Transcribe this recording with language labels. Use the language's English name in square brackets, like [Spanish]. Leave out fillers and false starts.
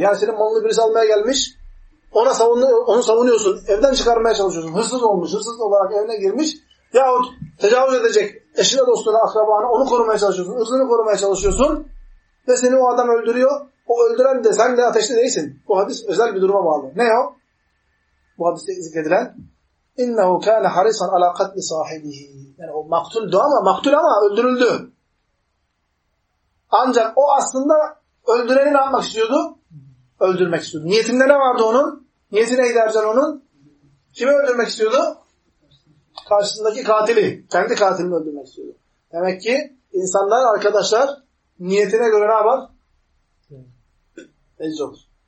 [Turkish] Yani senin malını birisi almaya gelmiş, ona onu savunuyorsun, evden çıkarmaya çalışıyorsun. Hırsız olmuş, hırsız olarak evine girmiş yahut tecavüz edecek eşine, dostuna, akrabanı onu korumaya çalışıyorsun. Hırsını korumaya çalışıyorsun ve seni o adam öldürüyor. O öldüren de sen de ateşte değilsin. Bu hadis özel bir duruma bağlı. Ne o? Bu hadiste zikredilen [Arabic] اِنَّهُ كَانَ حَرِصًا عَلَى قَتْلِ صَاحِبِهِ. [Turkish] Yani o maktuldu ama, maktul ama öldürüldü. Ancak o aslında öldüreni ne yapmak istiyordu? Öldürmek istiyordu. Niyetinde ne vardı onun? Niyeti neydi Ercan onun? Kimi öldürmek istiyordu? Karşısındaki katili. Kendi katilini öldürmek istiyordu. Demek ki insanlar, arkadaşlar niyetine göre ne yapar? Ezici olur.